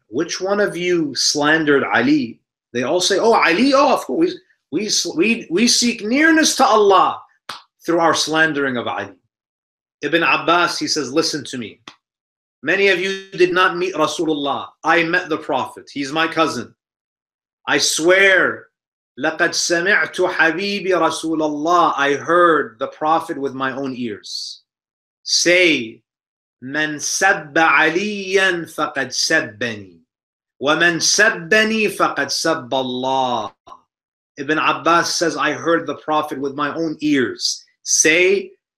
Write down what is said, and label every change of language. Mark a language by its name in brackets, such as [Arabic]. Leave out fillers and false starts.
[English] Which one of you slandered Ali? They all say, oh, Ali, oh, of course. We seek nearness to Allah through our slandering of Ali. Ibn Abbas, he says, listen to me. Many of you did not meet Rasulullah. I met the Prophet. He's my cousin. I swear, [Arabic] لَقَدْ سَمِعْتُ حَبِيبِ رَسُولَ اللَّهِ. [English] I heard the Prophet with my own ears. Say, [Arabic] مَنْ سَبَّ عَلِيًّا فَقَدْ سَبَّنِي وَمَنْ سَبَّنِي فَقَدْ سَبَّ اللَّهِ. [English] Ibn Abbas says, I heard the Prophet with my own ears say,